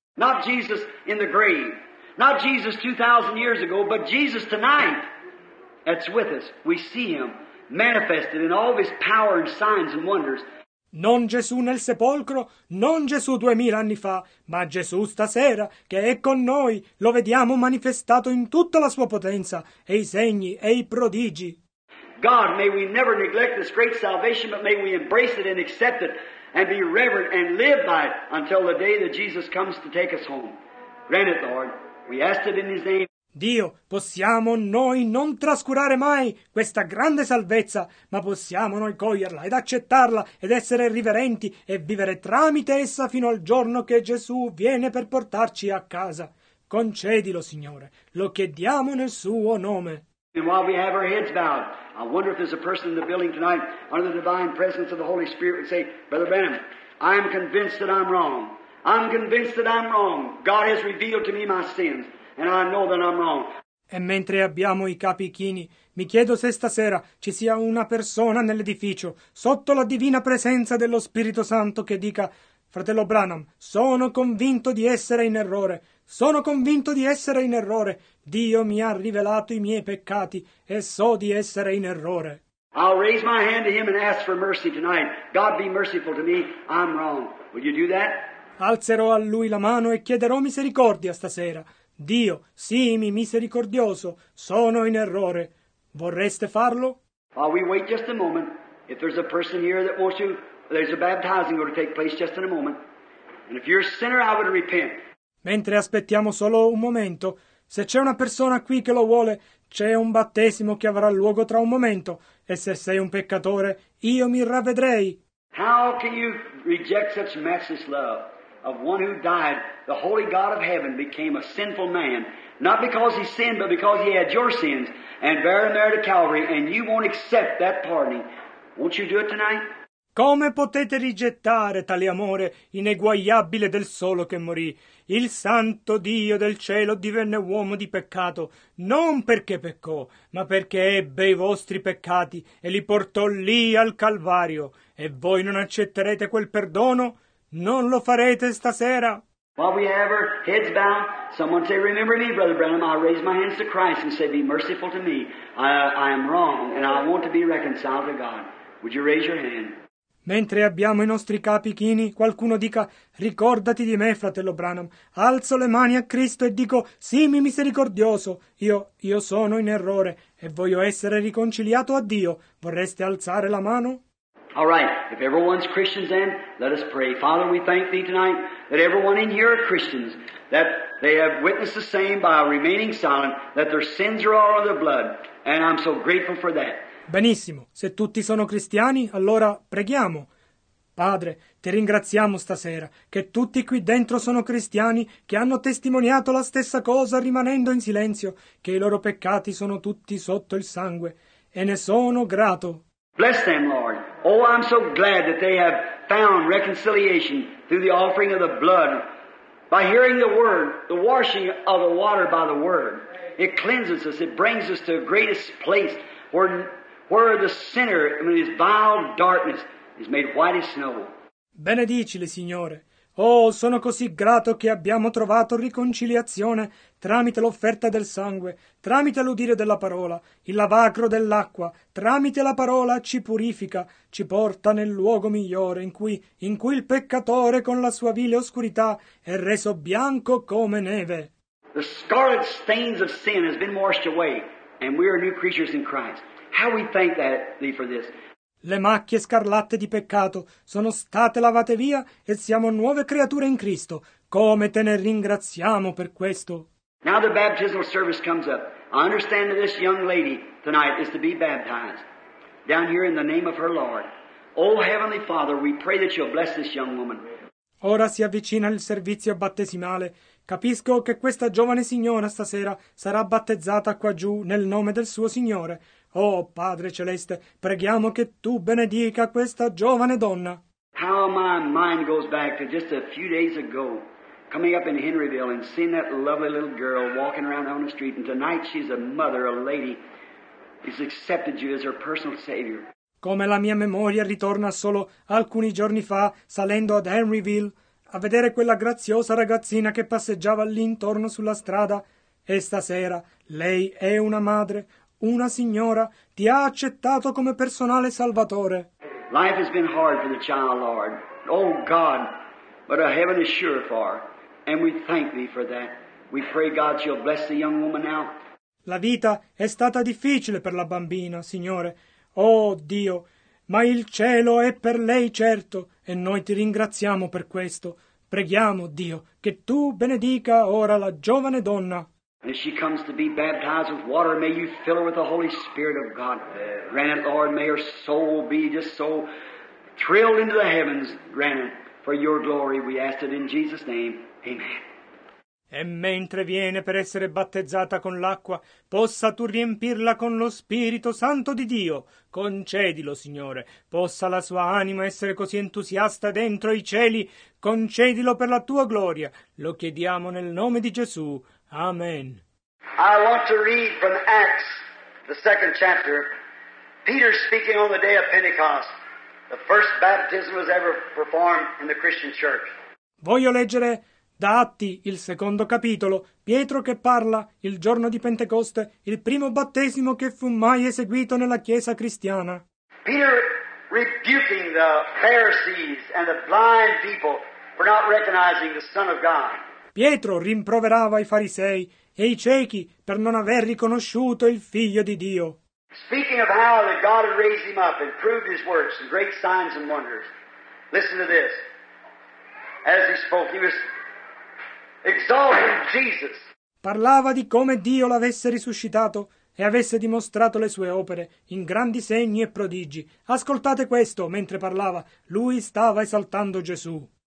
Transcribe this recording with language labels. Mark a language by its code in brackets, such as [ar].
[en] Not Jesus in the grave, not Jesus 2,000 years ago, but Jesus tonight that's with us. We see him manifested in all of his power and signs and wonders. [it] Non Gesù nel sepolcro, non Gesù 2,000 anni fa, ma Gesù stasera, che è con noi, lo vediamo manifestato in tutta la sua potenza, e i segni, e i prodigi. [en] God, may we never neglect this great salvation, but may we embrace it and accept it, and be reverent and live by it until the day that Jesus comes to take us home. Grant it, Lord. We ask it in his name. [it] Dio, possiamo noi non trascurare mai questa grande salvezza, ma possiamo noi coglierla ed accettarla ed essere riverenti e vivere tramite essa fino al giorno che Gesù viene per portarci a casa. Concedilo, Signore, lo chiediamo nel suo nome. [en] And while we have our heads bowed, I wonder if there's a person in the building tonight under the divine presence of the Holy Spirit would say, Brother Benham, I am convinced that I'm wrong. I'm convinced that I'm wrong. God has revealed to me my sins. And I know that I'm wrong. [it] E mentre abbiamo i capi chini, mi chiedo se stasera ci sia una persona nell'edificio, sotto la divina presenza dello Spirito Santo, che dica: Fratello Branham, sono convinto di essere in errore, sono convinto di essere in errore. Dio mi ha rivelato i miei peccati e so di essere in errore. [en] I'll raise my hand to him and ask for mercy tonight. God be merciful to me, I'm wrong. Will you do that? [it] Alzerò a lui la mano e chiederò misericordia stasera. Dio, sii misericordioso, sono in errore. Vorreste farlo? [en] While we wait just a moment, if there's a person here that wants you, there's a baptizing going to take place just in a moment. And if you're a sinner, I would repent. [it] Mentre aspettiamo solo un momento, se c'è una persona qui che lo vuole, c'è un battesimo che avrà luogo tra un momento, e se sei un peccatore, io mi ravvedrei. [en] How can you reject such matchless love? Of one who died, the holy God of heaven became a sinful man, not because he sinned, but because he had your sins, and bear them there to Calvary, and you won't accept that pardoning. Won't you do it tonight? [it] Come potete rigettare tale amore ineguagliabile del solo che morì? Il santo Dio del cielo divenne uomo di peccato, non perché peccò, ma perché ebbe i vostri peccati e li portò lì al Calvario. E voi non accetterete quel perdono? Non lo farete stasera. [en] While we have our heads bowed, someone say, remember me, Brother Branham. I raise my hands to Christ and say, be merciful to me. I am wrong and I want to be reconciled to God. Would you raise your hand? [it] Mentre abbiamo i nostri capi chini, qualcuno dica, ricordati di me, fratello Branham. Alzo le mani a Cristo e dico, sii misericordioso. Io sono in errore e voglio essere riconciliato a Dio. Vorreste alzare la mano? [en] All right, if everyone's Christians then, let us pray. Father, we thank thee tonight that everyone in here are Christians, that they have witnessed the same by remaining silent, that their sins are all of their blood, and I'm so grateful for that. [it] Benissimo, se tutti sono cristiani, allora preghiamo. Padre, ti ringraziamo stasera che tutti qui dentro sono cristiani che hanno testimoniato la stessa cosa rimanendo in silenzio, che i loro peccati sono tutti sotto il sangue, e ne sono grato. [en] Bless them, Lord. Oh, I'm so glad that they have found reconciliation through the offering of the blood. By hearing the word, the washing of the water by the word, it cleanses us, it brings us to a greatest place where the sinner, in his vile darkness, is made white as snow. [it] Benedicile, Signore. Oh, sono così grato che abbiamo trovato riconciliazione tramite l'offerta del sangue, tramite l'udire della parola, il lavacro dell'acqua, tramite la parola ci purifica, ci porta nel luogo migliore in cui il peccatore con la sua vile oscurità è reso bianco come neve. [en] The scarlet stains of sin has been washed away and we are new creatures in Christ. How we thank thee for this. [it] Le macchie scarlatte di peccato sono state lavate via e siamo nuove creature in Cristo. Come te ne ringraziamo per questo. [en] Now the baptismal service comes up. I understand that this young lady tonight is to be baptized down here in the name of her Lord. Oh Heavenly Father, we pray that you'll bless this young woman. [it] Ora si avvicina il servizio battesimale. Capisco che questa giovane signora stasera sarà battezzata qua giù nel nome del suo Signore. Oh, Padre Celeste, preghiamo che tu benedica questa giovane donna. [en] How my mind goes back to just a few days ago, coming up in Henryville and seeing that lovely little girl walking around on the street, and tonight she's a mother, a lady, has accepted you as her personal savior. [it] Come la mia memoria ritorna solo alcuni giorni fa, salendo ad Henryville, a vedere quella graziosa ragazzina che passeggiava lì intorno sulla strada. E stasera lei è una madre, una signora, ti ha accettato come personale salvatore. [en] Life has been hard for the child, Lord. Oh God, but a heaven is sure for, and we thank thee for that. We pray, God, you'll bless the young woman now. [it] La vita è stata difficile per la bambina, Signore. Oh Dio, ma il cielo è per lei certo, e noi ti ringraziamo per questo. Preghiamo, Dio, che tu benedica ora la giovane donna. [en] As she comes to be baptized with water, may you fill her with the Holy Spirit of God. Grant it, Lord, may her soul be just so thrilled into the heavens. Grant it for your glory. We ask it in Jesus' name. Amen. [it] E mentre viene per essere battezzata con l'acqua, possa tu riempirla con lo Spirito Santo di Dio. Concedilo, Signore. Possa la sua anima essere così entusiasta dentro i cieli. Concedilo per la tua gloria. Lo chiediamo nel nome di Gesù. Amen. [en] I want to read from Acts, the second chapter. Peter speaking on the day of Pentecost, the first baptism was ever performed in the Christian church. [it] Voglio leggere da Atti, il secondo capitolo, Pietro che parla il giorno di Pentecoste, il primo battesimo che fu mai eseguito nella Chiesa cristiana. [en] Peter rebuking the Pharisees and the blind people for not recognizing the Son of God. [it] Pietro rimproverava i farisei e i ciechi per non aver riconosciuto il Figlio di Dio. [en] Speaking of how that God had raised him up and proved his works and great signs and wonders. Listen to this. As he spoke, he was exalting Jesus. [it] Parlava di come Dio l'avesse risuscitato e avesse dimostrato le sue opere in grandi segni e prodigi. Ascoltate questo mentre parlava. Lui stava esaltando Gesù.